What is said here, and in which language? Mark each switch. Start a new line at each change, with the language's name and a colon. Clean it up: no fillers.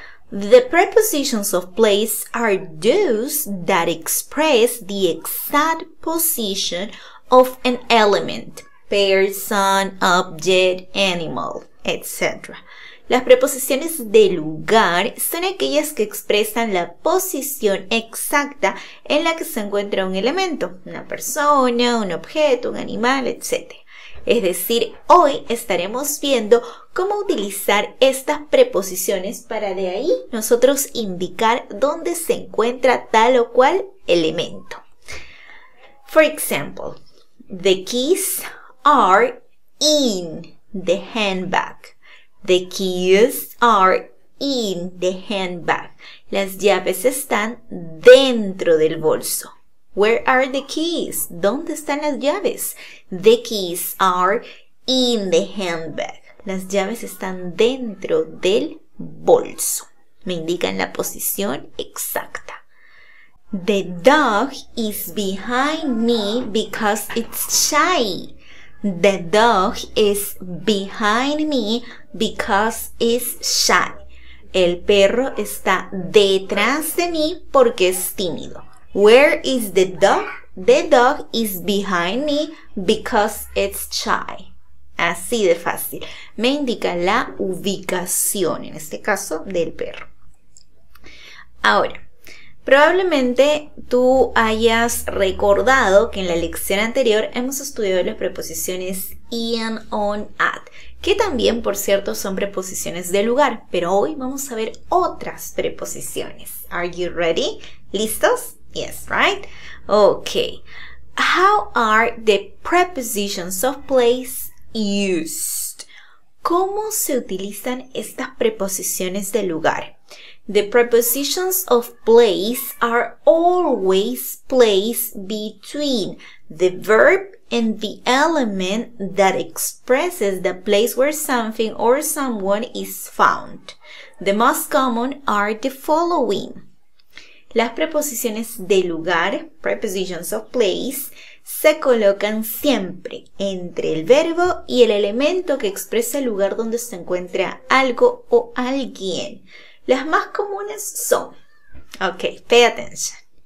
English: The prepositions of place are those that express the exact position of an element, person, object, animal, etc.
Spanish: Las preposiciones de lugar son aquellas que expresan la posición exacta en la que se encuentra un elemento, una persona, un objeto, un animal, etc. Es decir, hoy estaremos viendo cómo utilizar estas preposiciones para de ahí nosotros indicar dónde se encuentra tal o cual elemento.
English: For example, the keys are in the handbag. The keys are in the handbag.
Spanish: Las llaves están dentro del bolso.
English: Where are the keys?
Spanish: ¿Dónde están las llaves?
English: The keys are in the handbag.
Spanish: Las llaves están dentro del bolso. Me indican la posición exacta.
English: The dog is behind me because it's shy. The dog is behind me because it's shy.
Spanish: El perro está detrás de mí porque es tímido.
English: Where is the dog? The dog is behind me because it's shy.
Spanish: Así de fácil. Me indica la ubicación, en este caso, del perro. Ahora, probablemente tú hayas recordado que en la lección anterior hemos estudiado las preposiciones in, on, at, que también, por cierto, son preposiciones de lugar, pero hoy vamos a ver otras preposiciones.
English: Are you ready?
Spanish: ¿Listos?
English: Yes, right? Okay. How are the prepositions of place used?
Spanish: ¿Cómo se utilizan estas preposiciones de lugar?
English: The prepositions of place are always placed between the verb and the element that expresses the place where something or someone is found. The most common are the following.
Spanish: Las preposiciones de lugar,
English: prepositions of place,
Spanish: se colocan siempre entre el verbo y el elemento que expresa el lugar donde se encuentra algo o alguien. Las más comunes son,
English: ok, pay attention.